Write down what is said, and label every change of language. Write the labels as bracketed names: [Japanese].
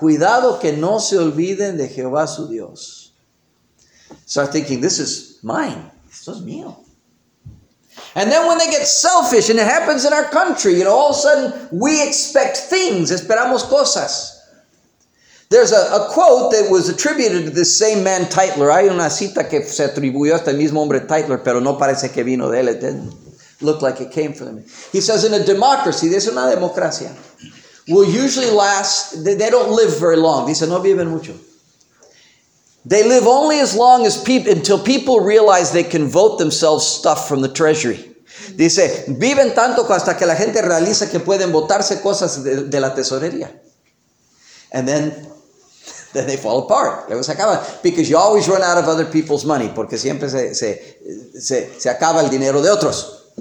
[Spanish] Cuidado que no se olviden de Jehová su Dios. [English] Start thinking, this is mine. [Spanish] Esto es mío. [English] And then when they get selfish, and it happens in our country, you know, all of a sudden we expect things. [Spanish] Esperamos cosas. [English] There's a quote that was attributed to this same man, Tytler. [Spanish] Hay una cita que se atribuyó a este mismo hombre, Tytler, pero no parece que vino de él. [English] It didn't look like it came from him. He says, in a democracy, this is [Spanish] una democracia, [English] will usually last, they don't live very long. [Spanish] Dice, no viven mucho. [English] They live only as long as until people realize they can vote themselves stuff from the treasury. [Spanish] Dice, viven tanto hasta que la gente realiza que pueden votarse cosas de la tesorería. [English] And then they fall apart. Because you always run out of other people's money. [Spanish] Porque siempre se acaba el dinero de otros.